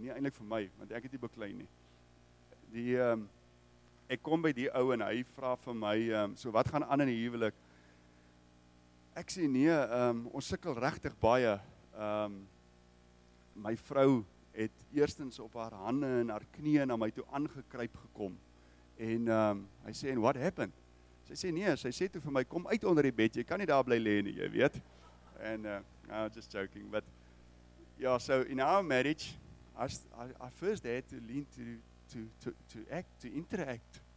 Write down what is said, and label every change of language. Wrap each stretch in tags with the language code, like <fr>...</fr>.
<af>Nie eintlik vir my, want ek het nie beklei nie. Ek kom by die ou en hy vra vir my, so wat gaan aan in die huwelik? Ek sê nee, ons sukkel regtig baie. My vrou het eerstens op haar hande en haar knieë na my toe aangekruip gekom. En hy sê,</af> <en>and what happened?</en> <af>Sy sê nee, sy sê toe vir my, kom uit onder die bed, jy kan nie daar bly lê nie, jy weet.</af> <en>And I'm just joking, but yeah, so in our marriage, I first had to lean to interact.</en>